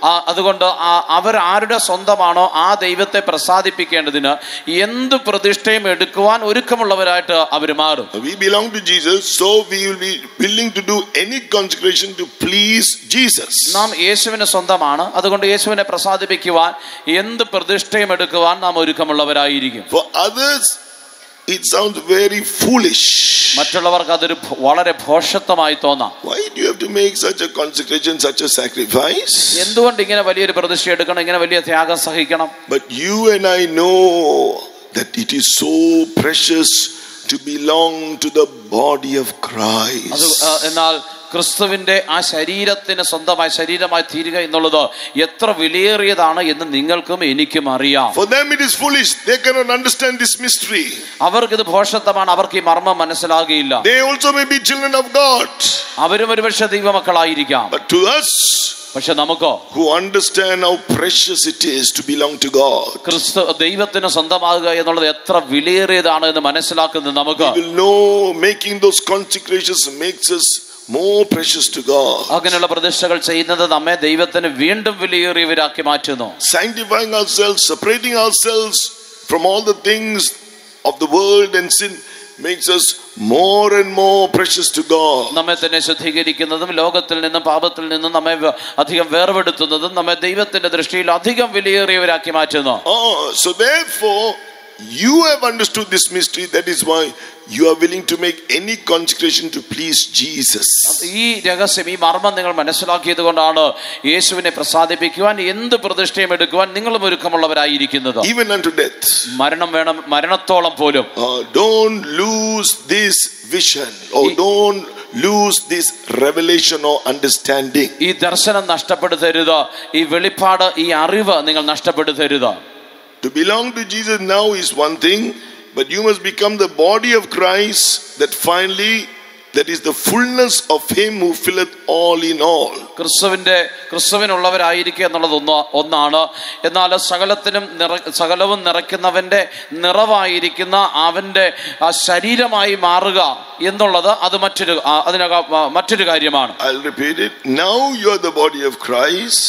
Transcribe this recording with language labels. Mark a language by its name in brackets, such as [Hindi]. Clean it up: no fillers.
[Malayalam] അതുകൊണ്ട് അവർ ആരുടെ സ്വന്തമാണോ ആ ദൈവത്തെ പ്രസാദിപ്പിക്കേണ്ടതിന് എന്ത് പ്രതിഷ്ഠയും എടുക്കുവാൻ ഒരുക്കമുള്ളവരായിട്ട് അവർ മാറും. [English] We belong to Jesus, so we will be willing to do any consecration to please Jesus. [Malayalam] നാം യേശുവിനെ സ്വന്തമാണ്, അതുകൊണ്ട് യേശുവിനെ പ്രസാദിപ്പിക്കുവാൻ എന്ത് പ്രതിഷ്ഠയും എടുക്കുവാൻ നാം ഒരുക്കമുള്ളവരായിരിക്കും. [English] For others, it sounds very foolish. [Malayalam] മറ്റുള്ളവർക്ക് അതൊരു വളരെ ഭോഷത്വമായി തോന്നാം. [English] Why do you have to make such a consecration, such a sacrifice? [Malayalam] എന്തുകൊണ്ട് ഇങ്ങനെ വലിയൊരു പ്രതിഷ്ഠ എടുക്കണം, ഇങ്ങനെ വലിയ ത്യാഗം സഹിക്കണം? [English] But you and I know that it is so precious to belong to the body of Christ. [Malayalam] എന്നാൽ ക്രിസ്തുവിന്റെ ആ ശരീരത്തിന് സ്വന്തമായി ശരീരമായി തീരുക എന്നുള്ളത് എത്ര വിലയേറിയതാണ് എന്ന് നിങ്ങൾക്കും എനിക്കും അറിയാം. [English] For them it is foolish. They cannot understand this mystery. [Malayalam] അവർക്ക് ഇത് ഭോഷത്തമാണ്, അവർക്ക് ഈ മർമ്മം മനസ്സിലാകുകയില്ല. [English] They also may be children of God. [Malayalam] അവരും ഒരുപക്ഷെ ദൈവമക്കളായിരിക്കാം. [English] But to us, [Malayalam] പക്ഷെ നമുക്കോ, [English] who understand how precious it is to belong to God, [Malayalam] ക്രിസ്തു ദൈവത്തിന് സ്വന്തമാകുക എന്നുള്ളത് എത്ര വിലയേറിയതാണ് എന്ന് മനസ്സിലാക്കുന്ന നമുക്ക്, [English] we will know making those consecrations makes us more precious to God. [Malayalam] അങ്ങനെയുള്ള പ്രതിഷ്ഠകൾ ചെയ്യുന്നത് നമ്മെ ദൈവത്തിന് വീണ്ടും വിലയേറിയവരാക്കി മാറ്റുന്നു. [English] Sanctifying ourselves, separating ourselves from all the things of the world and sin makes us more and more precious to God. [Malayalam] നമ്മെ തന്നെ ശുദ്ധീകരിക്കുന്നതും ലോകത്തിൽ നിന്നും പാപത്തിൽ നിന്നും നമ്മെ അധികം വേർപെടുത്തുന്നതും നമ്മെ ദൈവത്തിന്റെ ദൃഷ്ടിയിൽ അധികം വിലയേറിയവരാക്കി മാറ്റുന്നു. [English] So therefore you have understood this mystery, that is why you are willing to make any consecration to please Jesus. [Malayalam] ഈ രഹസ്യം, ഈ മർമ്മം നിങ്ങൾ മനസ്സിലാക്കിയതുകൊണ്ടാണ് യേശുവിനെ പ്രസാദിപ്പിക്കുവാൻ എന്ത് പ്രതിഷ്ഠയും എടുക്കുവാൻ നിങ്ങളും ഒരുക്കമുള്ളവരായിരിക്കുന്നത്. [English] Even unto death, [Malayalam] മരണം വേണം, മരണത്തോളം പോലും. [English] Don't lose this vision, or don't lose this revelation or understanding. [Malayalam] ഈ ദർശനം നഷ്ടപ്പെടുത്തരുത്, ഈ വെളിപ്പാട്, ഈ അറിവ് നിങ്ങൾ നഷ്ടപ്പെടുത്തരുത്. [English] To belong to Jesus now is one thing, but you must become the body of Christ, that finally, that is the fullness of him who filleth all in all. [Malayalam] ക്രിസ്തുവിനുള്ളവരായിരിക്കുക എന്നുള്ളത് ഒന്നാണ്, എന്നാൽ സകലവും നിറയ്ക്കുന്നവന്റെ നിറവായിരിക്കുന്ന അവന്റെ ശരീരമായി മാറുക എന്നുള്ളത് അത് മറ്റൊരു കാര്യമാണ്. [English] I'll repeat it. Now you are the body of Christ.